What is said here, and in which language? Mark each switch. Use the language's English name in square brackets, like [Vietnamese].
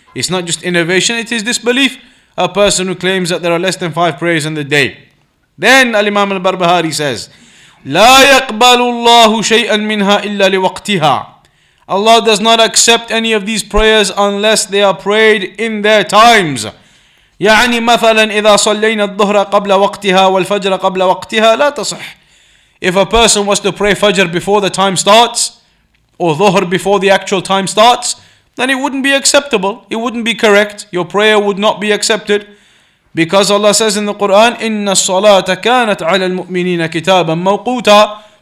[English] It's not just innovation, it is disbelief. A person who claims that there are less than five prayers in the day. Then Al-Imam Al-Barbahari says, [Arabic] لَا يَقْبَلُ اللَّهُ شَيْئًا مِنْهَا إِلَّا لِوَقْتِهَا. [English] Allah does not accept any of these prayers unless they are prayed in their times. [Arabic] يعني مثلا إذا صلينا الظهر قبل وقتها والفجر قبل وقتها لا تصح. [English] If a person was to pray Fajr before the time starts, or Dhuhr before the actual time starts, then it wouldn't be acceptable. It wouldn't be correct. Your prayer would not be accepted. Because Allah says in the Quran, [Arabic] إِنَّ الصَّلَاةَ كَانَتْ عَلَى الْمُؤْمِنِينَ كِتَابًا مَوْقُوتًا.